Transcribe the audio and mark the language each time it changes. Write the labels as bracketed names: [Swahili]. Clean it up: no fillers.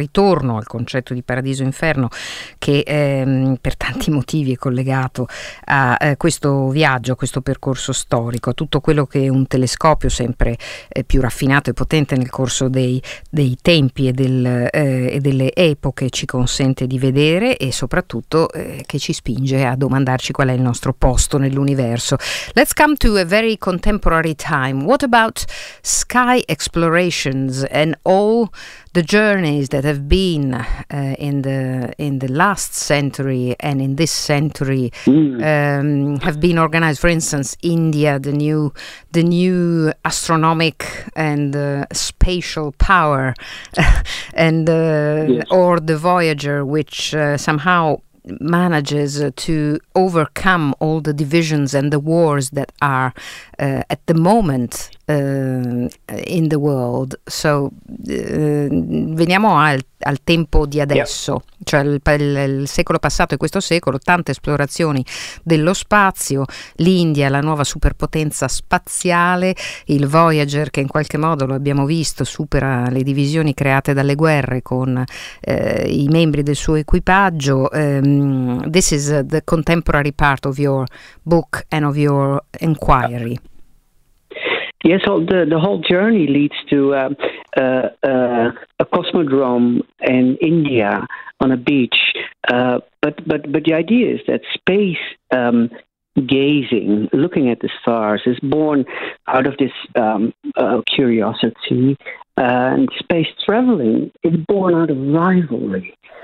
[Italian] Ritorno al concetto di paradiso inferno, che per tanti motivi è collegato a questo viaggio, a questo percorso storico, a tutto quello che un telescopio sempre più raffinato e potente nel corso dei tempi e delle epoche ci consente di vedere, e soprattutto che ci spinge a domandarci qual è il nostro posto nell'universo. [English] Let's come to a very contemporary time. What about sky explorations and all the journeys that have been in the last century and in this century have been organized? For instance, India, the new astronomic and spatial power, and yes, or the Voyager, which somehow manages to overcome all the divisions and the wars that are at the moment in the world. [Italian] So veniamo al tempo di adesso, yeah, cioè il secolo passato e questo secolo, tante esplorazioni dello spazio, l'India, la nuova superpotenza spaziale, il Voyager che in qualche modo, lo abbiamo visto, supera le divisioni create dalle guerre con i membri del suo equipaggio. [English] This is the contemporary part of your book and of your inquiry. Yeah. Yes, so the whole journey leads to a cosmodrome in India on a beach. But the idea is that space gazing, looking at the stars, is born out of this curiosity, and space traveling is born out of rivalry.